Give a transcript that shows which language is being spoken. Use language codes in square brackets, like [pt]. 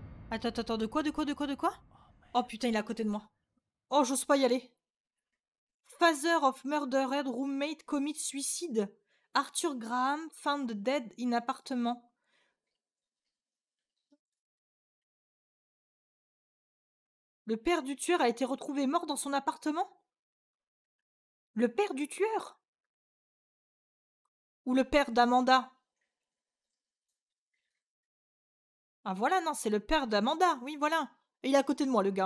[fr] Attends, attends, de quoi? Oh putain, il est à côté de moi. Oh, j'ose pas y aller. [en] Father of murdered roommate commit suicide. Arthur Graham found dead in apartment. [fr] Le père du tueur a été retrouvé mort dans son appartement? Le père du tueur? Ou le père d'Amanda? Ah voilà, non, c'est le père d'Amanda. Oui, voilà. Et il est à côté de moi, le gars.